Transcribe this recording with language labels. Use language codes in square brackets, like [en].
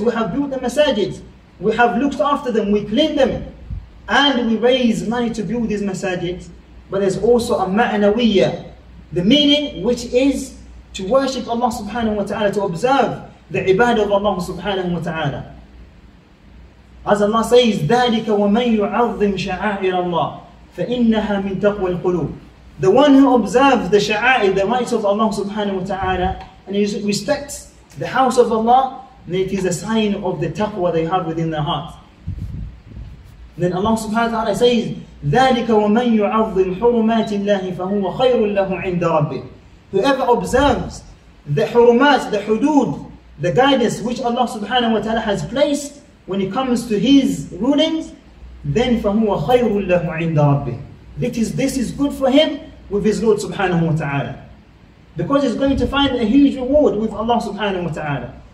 [en] We have built the masajid, we have looked after them, we clean them, and we raise money to build these masajid. But there's also a ma'nawiyya, the meaning which is to worship Allah subhanahu wa ta'ala, to observe the ibadah of Allah subhanahu wa ta'ala. As Allah says, [ar] ذَلِكَ وَمَنْ يُعَظِّمْ شَعَائِرَ اللَّهِ فَإِنَّهَا مِنْ تَقْوَى الْقُلُوبِ. [en] The one who observes the sha'a'ir, the rights of Allah subhanahu wa ta'ala, and he respects the house of Allah, then it is a sign of the taqwa they have within their heart. Then Allah subhanahu wa ta'ala says, [ar] ذَلِكَ وَمَنْ يُعَظِّمْ حُرُمَاتِ اللَّهِ فَهُوَ خَيْرٌ لَهُ عِنْدَ رَبِّهِ. [en] Whoever observes the hurumat, the hudud, the guidance which Allah subhanahu wa ta'ala has placed when it comes to his rulings, then [ar] فَهُوَ خَيْرٌ لَهُ عِنْدَ رَبِّهِ. [en] This is good for him with his Lord subhanahu wa ta'ala, because he's going to find a huge reward with Allah subhanahu wa ta'ala.